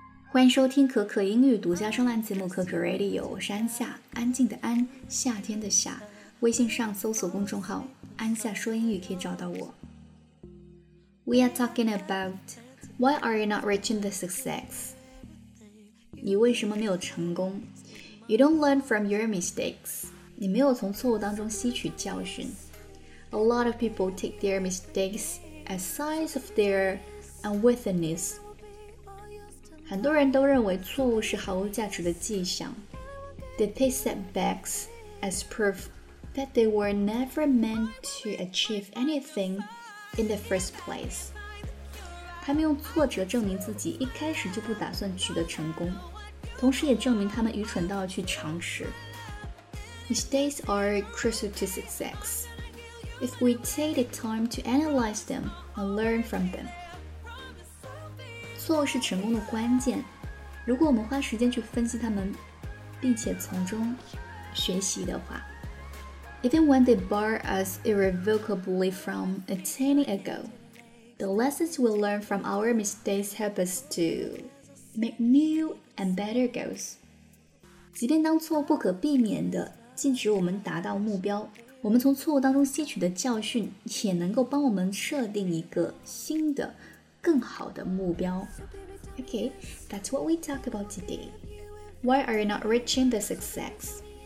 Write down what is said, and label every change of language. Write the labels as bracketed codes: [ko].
[zh] 欢迎收听可可英语独家专栏节目可可 Radio， 我是安夏，安静的安，夏天的夏。微信上搜索公众号安夏说英语可以找到我。 [en] We are talking about Why are you not reaching the success? [zh] 你为什么没有成功？ [en] You don't learn from your mistakes. [zh] 你没有从错误当中吸取教训。 [en] A lot of people take their mistakes as signs of their unworthiness. [zh] 很多人都认为错误是毫无价值的迹象。 [en] They take setbacks as proof that they were never meant to achieve anything in the first place. [zh] 他们用挫折证明自己一开始就不打算取得成功，同时也证明他们愚蠢到了去尝试。 [en] Mistakes are crucial to success. If we take the time to analyze them and learn from them, [zh] 错误是成功的关键，如果我们花时间去分析它们并且从中学习的话。 [en] Even when they bar us irrevocably from attaining a goal, the lessons we learn from our mistakes help us to make new and better goals. [zh] 即便当错误不可避免地禁止我们达到目标，我们从错误当中吸取的教训也能够帮我们设定一个新的更好的目标。 [en] Okay, that's what we talk about today. Why are you not reaching the success?